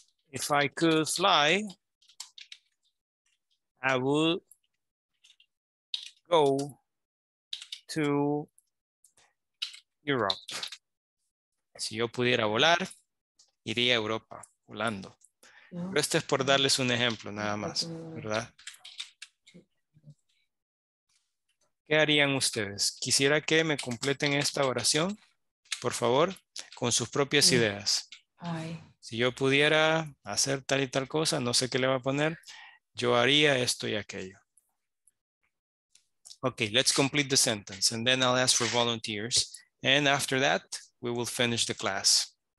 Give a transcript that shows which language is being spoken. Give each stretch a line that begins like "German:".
English: If I could fly, I would go to Europe.
Spanish: Si yo pudiera volar, iría a Europa volando. Pero este es por darles un ejemplo, nada más, ¿verdad? ¿Qué harían ustedes? Quisiera que me completen esta oración, por favor, con sus propias ideas. Si yo pudiera hacer tal y tal cosa, no sé qué le va a poner, yo haría esto y aquello.
English: Okay, let's complete the sentence, and then I'll ask for volunteers. And after that, we will finish the class.